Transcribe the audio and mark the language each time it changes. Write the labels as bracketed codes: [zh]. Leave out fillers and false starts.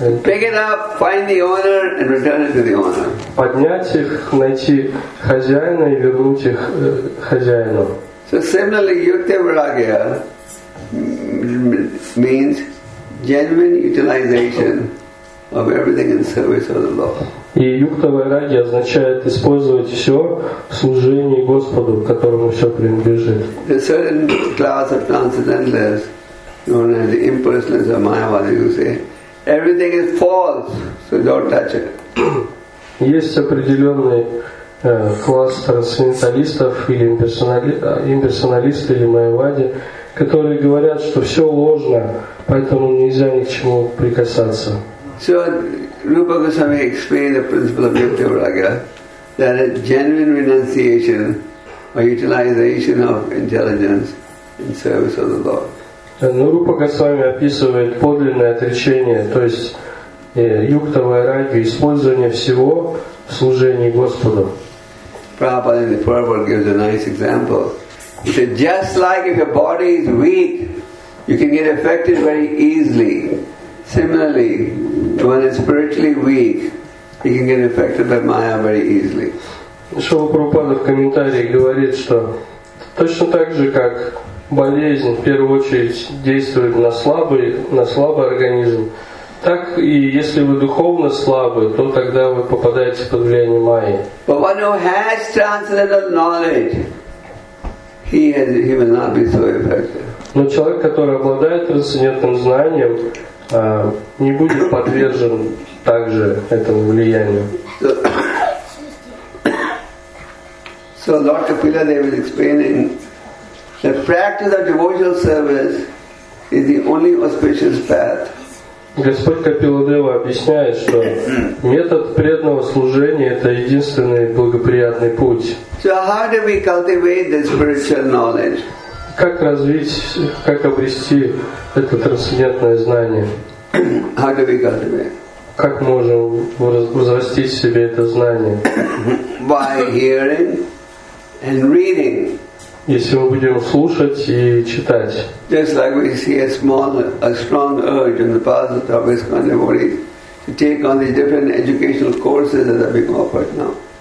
[en] Pick it up, find the owner, and return it to the owner. [ru] Поднять их, найти хозяина и вернуть их хозяину. [en] So similarly, yukta vairagya means genuine utilization of everything in service of the Lord. [ru] И yukta vairagya означает использовать все в служении Господу, которому все принадлежит. [en] A certain class of transcendentalists. Known as the impersonalists of Mayavadi, who say everything is false, so don't touch it. [ru] Есть определенный класс трансценденталистов или имперсоналистов или майявади, которые говорят, что все ложно, поэтому нельзя ни к чему прикасаться. [en] So Rupa Goswami explained the principle of yukta vairagya, that a genuine renunciation or utilization of intelligence in service of the Lord. [ru] Но Рупа Госвами описывает подлинное отречение, то есть юкта вайрагья, использование всего в служении Господу. [en] Prabhupada in the Purport gives a nice example. He said, just like if your body is weak, you can get affected very easily. Similarly, when it's spiritually weak, you can get affected by Maya very easily. [ru] Шрила Прабхупада в комментариях говорит, что точно так же, как болезнь в первую очередь действует на слабый организм. Так и если вы духовно слабы, то тогда вы попадаете под влияние майи. [en] But one who has transcendental knowledge, he will not be so affected. [ru] Но человек, который обладает трансцендентным знанием, не будет подвержен также этому влиянию. [en] So Lord Kapila Dev is explaining. The practice of devotional service is the only auspicious path. [ru] Господь Капиладева объясняет, что метод преданного служения – это единственный благоприятный путь. [en] So how do we cultivate this spiritual knowledge? [ru] Как развить, как обрести это трансцендентное знание? [en] How do we cultivate? [ru] Как можем возрастить в себе это знание? [en] By hearing and reading. [ru] Если мы будем слушать и читать. [en] Just like we see a strong urge in the path of our ISKCON devotees to take on the different educational courses that are being offered now.